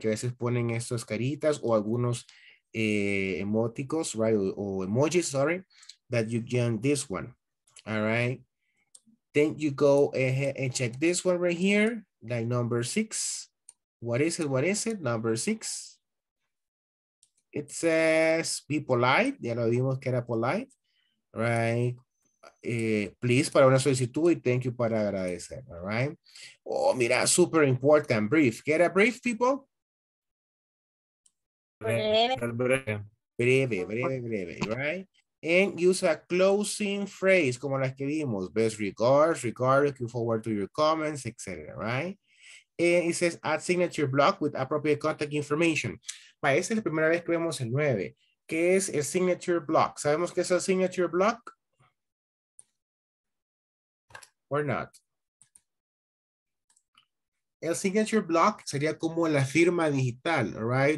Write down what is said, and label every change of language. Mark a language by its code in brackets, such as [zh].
[es] Que a veces ponen estas caritas o algunos emoticos, right? O emojis, [en] sorry, that you join this one, all right? Then you go ahead and check this one right here, like number 6. What is it? Number 6. It says, be polite. [es] Ya lo vimos que era polite. Right. Please, para una solicitud. [en] Y thank you [es] para agradecer. [en] All right. Oh, mira, super important. Brief. [es] ¿Qué era brief, people? Breve. [en] Right. And use a closing phrase, [es] como las que vimos. [en] Best regards, looking forward to your comments, etc. Right. And it says add signature block with appropriate contact information. [es] Bueno, esta es la primera vez que vemos el 9. ¿Qué es el signature block? ¿Sabemos qué es el signature block? [en] Or not? [es] El signature block sería como la firma digital, right?